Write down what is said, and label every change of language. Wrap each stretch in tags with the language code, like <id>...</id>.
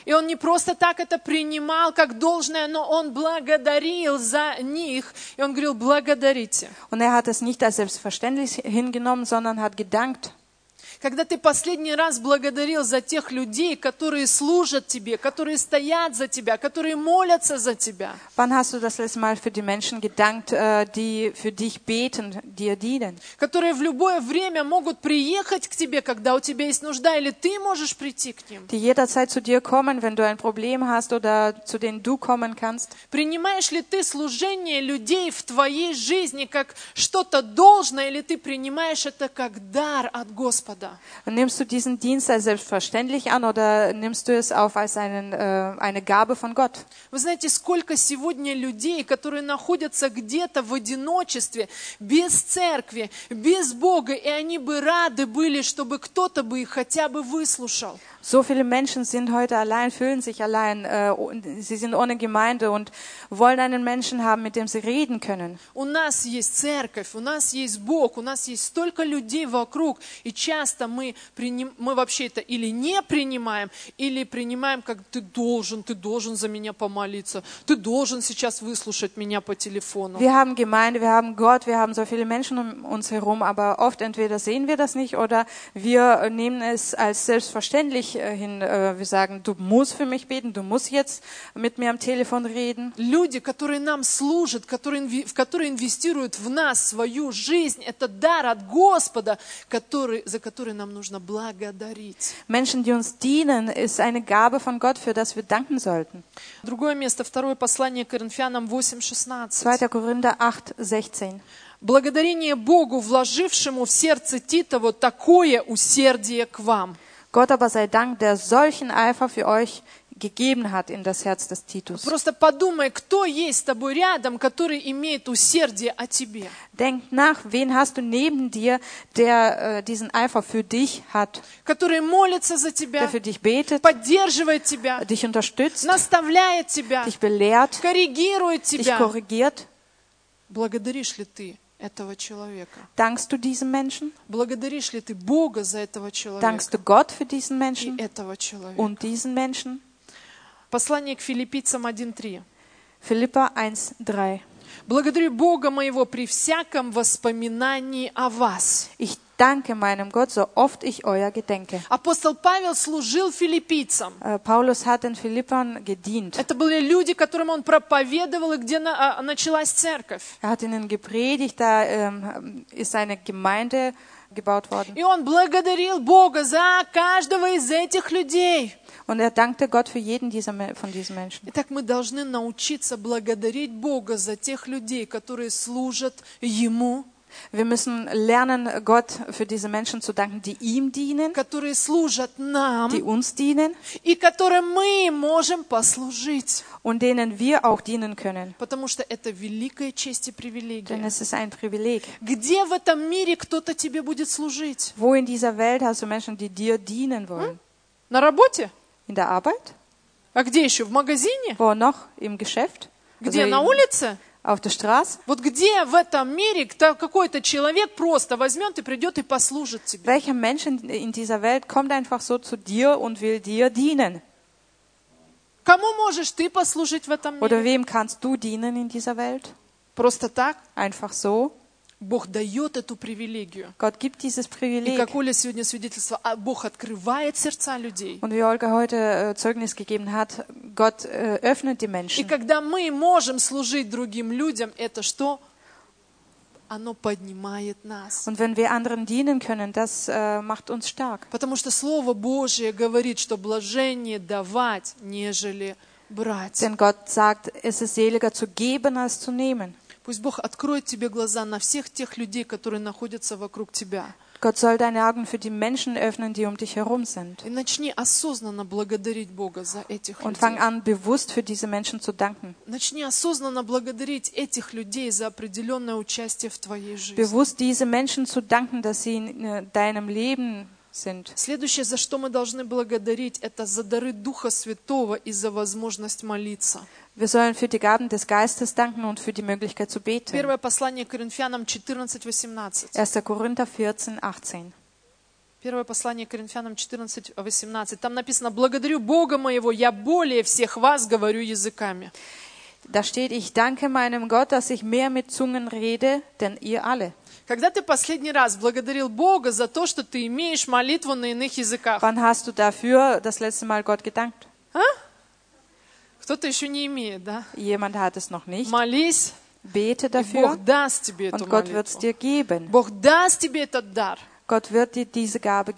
<ru>И он не просто так это принимал как должное, но он благодарил за них, и он говорил: «Благодарите».</ru> <de>Und er hat es nicht als selbstverständlich hingenommen, sondern hat gedankt.</de> <ru>Когда ты последний раз благодарил за тех людей, которые служат тебе, которые стоят за тебя, которые молятся за тебя?</ru> <de>Wann hast du das letzte Mal für die Menschen gedankt, die für dich beten, dir dienen?</de> <ru>Которые в любое время могут приехать к тебе, когда у тебя есть нужда, или ты можешь прийти к ним?</ru> <de>Die jederzeit zu dir kommen, wenn du ein Problem hast oder zu denen du kommen kannst?</de> <ru>Принимаешь ли ты служение людей в твоей жизни как что-то должное, или ты принимаешь это как дар от Господа?</ru> <de>Nimmst du diesen Dienst als selbstverständlich an oder nimmst du es auf als eine Gabe von Gott?</de> <ru>Вы знаете, сколько сегодня людей, которые находятся где-то в одиночестве, без церкви, без Бога, и они бы рады были, чтобы кто-то бы их хотя бы выслушал.</ru> <de>So viele Menschen sind heute allein, fühlen sich allein, sie sind ohne Gemeinde und wollen einen Menschen haben, mit dem sie reden können.</de> <ru>У нас есть церковь, у нас есть Бог, у нас есть столько людей вокруг, и часто мы вообще это или не принимаем, или принимаем как ты должен за меня помолиться, ты должен сейчас выслушать меня по телефону.</ru> <de>Wir haben Gemeinde, wir haben Gott, wir haben so viele Menschen um uns herum, aber oft entweder sehen wir das nicht oder wir nehmen es als selbstverständlich hin, wir sagen, du musst für mich beten, du musst jetzt mit mir am Telefon reden.</de> <ru>Люди, которые нам служат, которые инвестируют в нас свою жизнь, это дар от Господа, за который нам нужно благодарить.</ru> <de>Menschen, die uns dienen, ist eine Gabe von Gott, für das wir danken sollten.</de> <ru>Другое место, второе послание Коринфянам 8:16.</ru> <de>2 Korinther 8:16.</de> <ru>Благодарение Богу, вложившему в сердце Тита вот такое усердие к вам.</ru> <de>Gott aber sei Dank, der solchen Eifer für euch gegeben hat in das Herz des Titus.</de> <ru>Просто подумай, кто есть с тобой рядом, который имеет усердие о тебе.</ru> <de>Denk nach, wen hast du neben dir, der diesen Eifer für dich hat.</de> <ru>Который молится за тебя.</ru> <de>Der für dich betet.</de> <ru>Поддерживает тебя.</ru> <de>Dich unterstützt.</de> <ru>Наставляет тебя.</ru> <de>Dich belehrt.</de> <ru>Коррегирует тебя.</ru> <de>Dich korrigiert.</de> <ru>Благодаришь ли ты этого человека?</ru> <de>Dankst du diesem Menschen?</de> <ru>Благодаришь ли ты Бога за этого человека?</ru> <de>Dankst du Gott für diesen Menschen?</de> <ru>И этого человека?</ru> <de>Und diesen Menschen?</de> <ru>Послание к Филиппийцам 1:3. Филиппа 1:3. Благодарю Бога моего при всяком воспоминании о вас.</ru> <de>Ich danke meinem Gott, so oft ich euer gedenke.</de> <ru>Апостол Павел служил филиппийцам.</ru> <de>Paulus hat den Philippern gedient.</de> <ru>Это были люди, которым он проповедовал, и где началась церковь.</ru> <de>Er hat ihnen gepredigt, da ist eine Gemeinde gebaut worden.</de> <ru>И он благодарил Бога за каждого из этих людей.</ru> <de>Und er dankte Gott für jeden dieser, von diesen Menschen.</de> <ru>Итак, мы должны научиться благодарить Бога за тех людей, которые служат Ему.</ru> <de>Wir müssen lernen, Gott für diese Menschen zu danken, die ihm dienen,</de> <ru>которые служат нам,</ru> <de>die uns dienen,</de> <ru>и которым мы можем послужить,</ru> <de>und denen wir auch dienen können.</de> <ru>Потому что это великая честь и привилегия.</ru> <de>Denn es ist ein Privileg.</de> <ru>Где в этом мире кто-то тебе будет служить?</ru> <de>Wo in dieser Welt hast du Menschen, die dir dienen wollen?</de> <ru>На работе?</ru> <de>In der Arbeit?</de> <ru>А где еще? В магазине?</ru> <de>Wo noch? Im Geschäft?</de> <ru>Где?</ru> <de>Also</de> <ru>на улице?</ru> <de>Auf der Straße?</de> <ru>Вот где в этом мире какой-то человек просто возьмет и придет и послужит тебе?</ru> <de>Welcher Mensch in dieser Welt kommt einfach so zu dir und will dir dienen?</de> <ru>Кому можешь ты послужить в этом мире?</ru> <de>Oder wem kannst du dienen in dieser Welt?</de> <ru>Просто так?</ru> <de>Einfach so?</de> <ru>Бог дает эту привилегию.</ru> <de>Gott gibt dieses Privileg.</de> <ru>И как Оля сегодня свидетельство, Бог открывает сердца людей.</ru> <de>Und wie Olga heute Zeugnis gegeben hat, Gott öffnet die Menschen.</de> <ru>И когда мы можем служить другим людям, это что? оно поднимает нас.</ru> <de>Und wenn wir anderen dienen können, das macht uns stark.</de> <ru>Потому что Слово Божие говорит, что блаженнее давать, нежели брать.</ru> <de>Denn Gott sagt, es ist seliger zu geben als zu nehmen.</de> <ru>Пусть Бог откроет тебе глаза на всех тех людей, которые находятся вокруг тебя.</ru> <de>Gott soll deine Augen für die Menschen öffnen, die um dich herum sind.</de> <ru>И начни осознанно благодарить Бога за этих людей.</ru> <de>Und fang an, bewusst für diese Menschen zu danken.</de> <ru>Начни осознанно благодарить этих людей за определенное участие в твоей жизни.</ru> <de>Bewusst diese Menschen zu danken, dass sie in deinem Leben sind.</de> <ru>Следующее, за что мы должны благодарить, это за дары Духа Святого и за возможность молиться.</ru> <de>Wir sollen für die Gaben des Geistes danken und für die Möglichkeit zu beten.</de> <ru>1. Послание к Коринфянам 14:18.</ru> <de>1. Korinther 14:18.</de> <ru>1. Послание к Коринфянам 14:18. Там написано: «Благодарю Бога моего, я более всех вас говорю языками».</ru> <de>Da steht: «Ich danke meinem Gott, dass ich mehr mit Zungen rede, denn ihr alle».</de> <ru>Когда ты последний раз благодарил Бога за то, что ты имеешь молитву на иных языках?</ru> <de>Wann hast du dafür das letzte Mal Gott gedankt?</de> <ru>А? Кто-то еще не имеет, да?</ru> <de>Jemand hat es noch nicht.</de> <ru>Молись,</ru> <de>bete dafür,</de> <ru>и Бог даст тебе эту</ru> <de>und Gott wird's</de> <ru>молитву.</ru> <de>Dir geben.</de> <ru>Бог даст тебе этот дар.</ru> <de>Gott wird dir diese Gabe geben.</de>